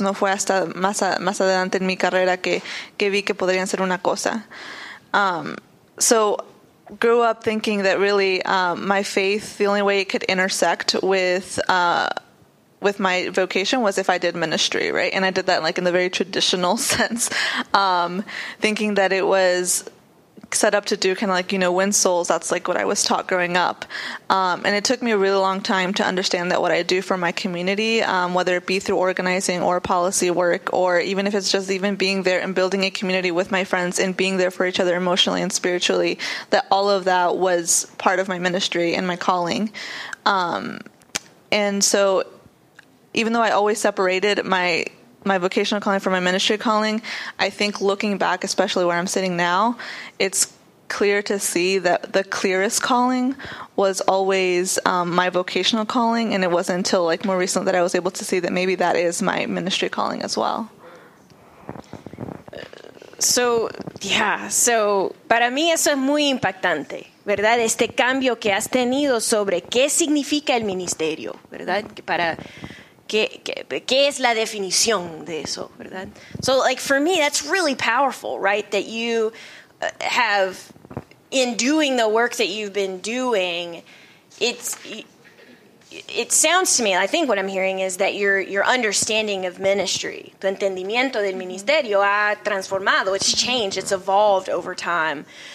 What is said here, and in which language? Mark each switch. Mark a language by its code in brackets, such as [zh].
[es] No fue hasta más adelante en mi carrera que vi que podrían ser una cosa. [en] So grew up thinking that really my faith, the only way it could intersect with my vocation was if I did ministry, right? And I did that, like, in the very traditional sense, thinking that it was set up to do kind of, like, you know, win souls. That's, like, what I was taught growing up. And it took me a really long time to understand that what I do for my community, whether it be through organizing or policy work, or even if it's just even being there and building a community with my friends and being there for each other emotionally and spiritually, that all of that was part of my ministry and my calling. And so even though I always separated my vocational calling from my ministry calling, I think looking back, especially where I'm sitting now, it's clear to see that the clearest calling was always my vocational calling. And it wasn't until, like, more recently that I was able to see that maybe that is my ministry calling as well. [es] So para mí eso es muy impactante, ¿verdad? Este cambio que has tenido sobre qué significa el ministerio, ¿verdad? ¿Qué es la definición de eso, verdad? [en] So, like, for me, that's really powerful, right? That you have, in doing the work that you've been doing, it sounds to me, I think what I'm hearing is that your understanding of ministry, [es] tu entendimiento del ministerio ha transformado, [en] it's changed, it's evolved over time.